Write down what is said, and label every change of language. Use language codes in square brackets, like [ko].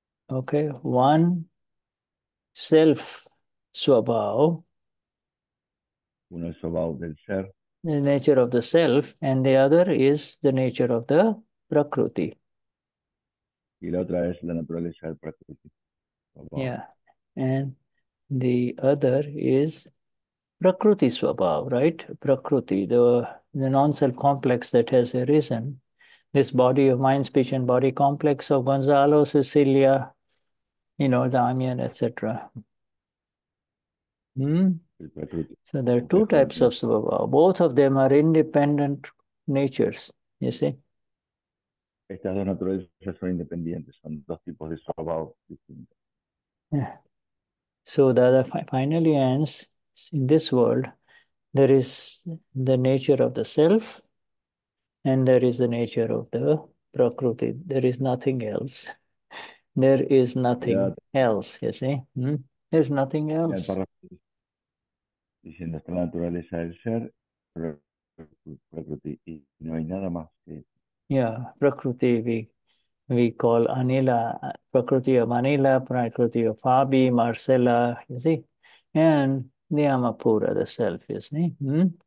[en] Okay, one self swabhav. [es] Uno es swabhav del ser. [en] The nature of the self, and the other is the nature of the Prakruti. [es] Y la otra es la naturaleza del Prakruti. [en] Yeah. And the other is Prakruti Swabhav, right? Prakruti, the non-self complex that has arisen. This body of mind, speech, and body complex of Gonzalo, Cecilia, you know, Damian, etc. Hmm? So there are two types of Swabhav. Both of them are independent natures, you see. [es] Estas dos naturalezas son independientes, son dos tipos de swabhav distintos. [en] Yeah. So Dada finally ends, in this world, there is the nature of the self, and there is the nature of the Prakruti. There is nothing else. There is nothing else, you see. Hmm? There's nothing else. [es] Diciendo esta naturaleza del ser, Prakruti, y no hay nada más que... [en] Yeah, Prakruti, we call Anila, Prakruti of Anila, Prakruti of Fabi, Marcella, you see, and Niyamapura, the self, you see. Hmm?